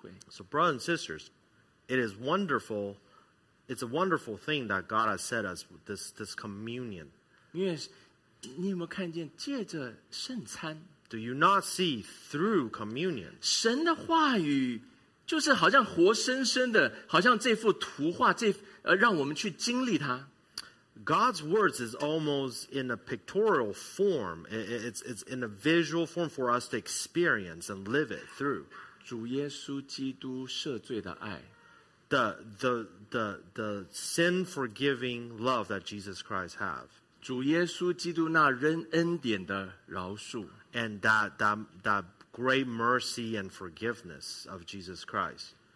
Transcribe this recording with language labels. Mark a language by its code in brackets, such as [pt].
[en] so brothers and sisters, it is wonderful, it's a wonderful thing that God has set us this communion. [zh] 因为你有没有看见借着圣餐, [en] do you not see through communion? [zh] 神的话语就是好像活生生的, 好像这幅图画, 让我们去经历它。 [en] God's words is almost in a pictorial form. It's in a visual form for us to experience and live it through. [zh] 主耶稣基督赦罪的爱, [en] the sin forgiving love that Jesus Christ have. [zh] 主耶稣基督那仁恩典的饶恕, [en] and that great mercy and forgiveness of Jesus Christ.